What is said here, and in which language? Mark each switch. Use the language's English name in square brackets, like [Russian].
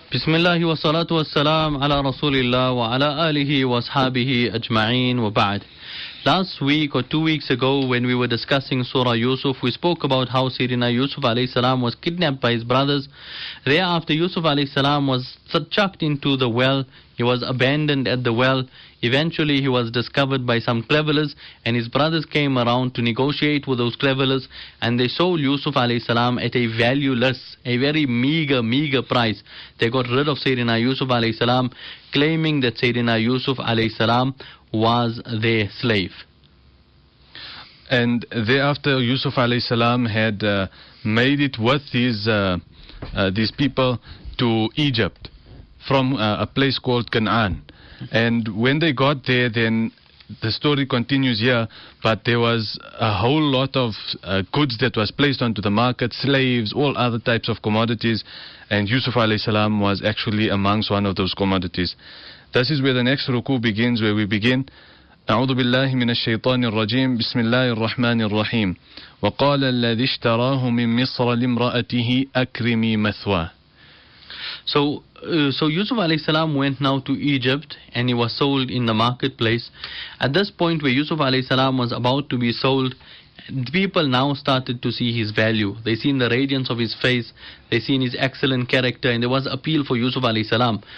[Arabic] بسم الله والصلاة والسلام على رسول الله وعلى آله وصحابه أجمعين وبعد. [English] Last week or 2 weeks ago, when we were discussing Surah Yusuf, we spoke about how Sayyidina Yusuf alayhi salam was kidnapped by his brothers. Thereafter, Yusuf alayhi salam was chucked into the well. He was abandoned at the well. Eventually, he was discovered by some cleverers, and his brothers came around to negotiate with those cleverers, and they sold Yusuf alayhi salam at a valueless, a very meager price. They got rid of Sayyidina Yusuf alayhi salam, claiming that Sayyidina Yusuf alayhi salam was their slave. And thereafter, Yusuf alayhi salam had made it with these people to Egypt from a place called Canaan. And when they got there, then the story continues here, but there was a whole lot of goods that was placed onto the market, slaves, all other types of commodities, and Yusuf alayhi salam was actually amongst one of those commodities. This is where the next ruku begins, where we begin. [Arabic] أعوذ بالله من الشيطان الرجيم بسم الله الرحمن الرحيم وقال الذي اشتراه من مصر لامرأته أكرمي مثواه. [English] So Yusuf alayhi salam went now to Egypt, and he was sold in the marketplace. At this point, where Yusuf alayhi salam was about to be sold, people now started to see his value. They seen the radiance of his face, they seen his excellent character, and there was appeal for Yusuf alayhi salam.